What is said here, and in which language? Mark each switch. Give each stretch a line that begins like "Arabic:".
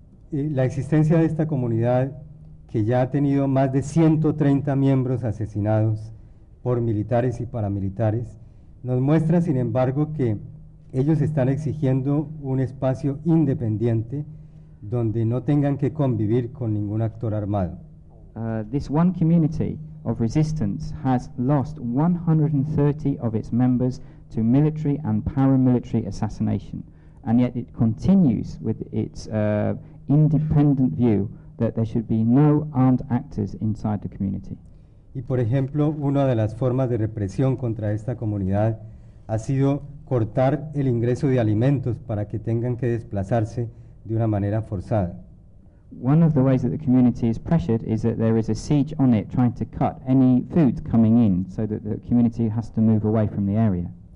Spanish: La existencia de esta comunidad, que ya ha tenido más de 130 miembros asesinados por militares y paramilitares, nos muestra, sin embargo, que ellos están exigiendo un espacio independiente donde no tengan que convivir con ningún actor armado.
English: This one community of resistance has lost 130 of its members to military and paramilitary assassination, and yet it continues with its independent view that there should be no armed actors inside the community.
Spanish: Y por ejemplo, una de las formas de represión contra esta comunidad ha sido cortar el ingreso de alimentos para que tengan que desplazarse de una manera forzada.
English: One of the ways that the community is pressured is that there is a siege on it trying to cut any food coming in so that the community has to move away from the area.